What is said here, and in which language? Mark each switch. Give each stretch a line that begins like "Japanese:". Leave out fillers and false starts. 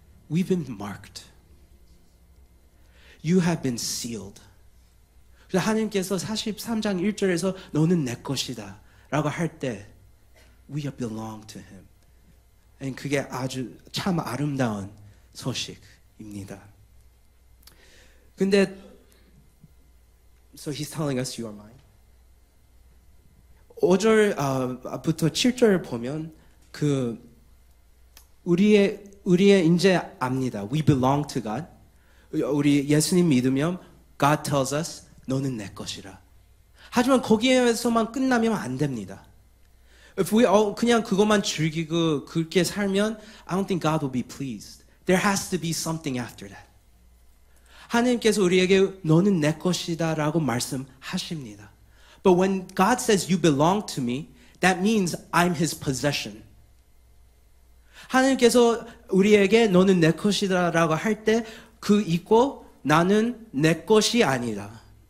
English: We've been marked. You have been sealed.
Korean: 그래서 하나님께서 43장 1절에서 너는 내 것이다 라고 할 때
English: We belong to him.
Korean: And 그게 아주 참 아름다운 소식입니다. 근데
English: So he's telling us you are mine.
Korean: 5절부터 7절을 보면 그 우리의 이제 압니다.
English: We belong to God.
Korean: 우리 예수님 믿으면
English: God tells us
Korean: 너는 내 것이라. 하지만 거기에서만 끝나면 안 됩니다.
English: If we all
Korean: 그냥 그것만 즐기고 그렇게 살면
English: I don't think God will be pleased. There has to be something after that.
Korean: 하나님께서 우리에게 너는 내 것이다 라고 말씀하십니다.
English: But when God says you belong to me, that means I'm his possession.
Korean: 하나님께서 우리에게 너는 내 것이다 라고 할 때 그 있고 나는 내 것이 아니다.